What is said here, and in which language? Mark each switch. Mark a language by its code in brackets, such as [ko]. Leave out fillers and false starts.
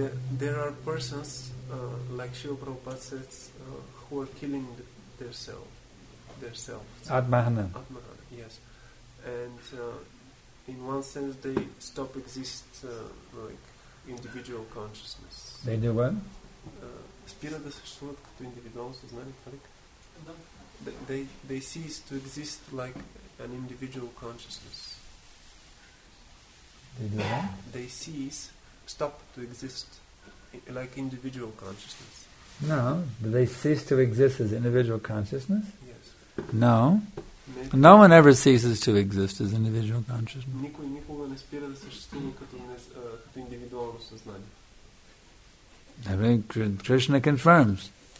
[en] There are persons, like Srila Prabhupada says, who are killing themselves. Atmahana. Yes. And in one sense, they stop exist like individual consciousness. They do what? [bg] Спирата съществуват като индивидуално съзнание, това ли? [en] They cease to exist like an individual consciousness. They do what? They cease, stop to exist like individual consciousness. No. Do they cease to exist as individual consciousness? Yes. No. Maybe. No one ever ceases to exist as individual consciousness. [bg] Никой никога не спира да съществува като индивидуално съзнание. [en] I mean, Krishna confirms.